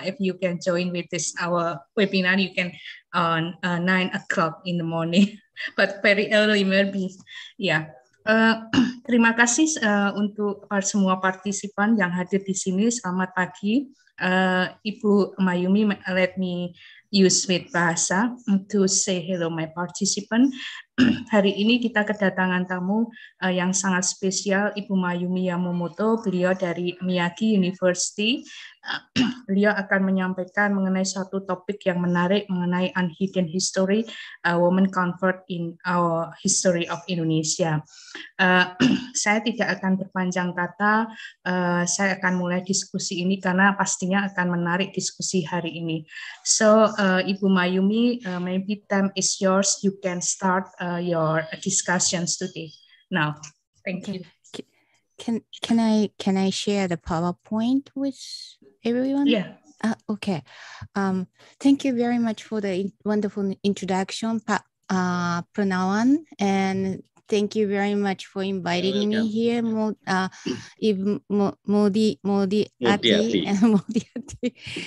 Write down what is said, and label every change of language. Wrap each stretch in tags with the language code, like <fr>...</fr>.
<en>If you can join with this our webinar, you can on 9 o'clock in the morning, but very early maybe. Yeah.</en> <id>Terima kasih untuk semua partisipan yang hadir di sini. Selamat pagi, Ibu Mayumi.</id> <en>Let me use with bahasa to say hello my participant.</en> <id>Hari ini kita kedatangan tamu yang sangat spesial, Ibu Mayumi Yamamoto. Beliau dari Miyagi University. Beliau akan menyampaikan mengenai satu topik yang menarik mengenai</id> <en>unhidden history, women comfort in our history of Indonesia.</en> <id>Saya tidak akan berpanjang kata, saya akan mulai diskusi ini karena pastinya akan menarik diskusi hari ini.</id> <en>So, Ibu Mayumi, maybe time is yours, you can start your discussions today. Now, thank you. Can I share the PowerPoint with everyone? Yeah. Okay. Thank you very much for the wonderful introduction, Pranawan, and thank you very much for inviting me here, Modi Ati.</en>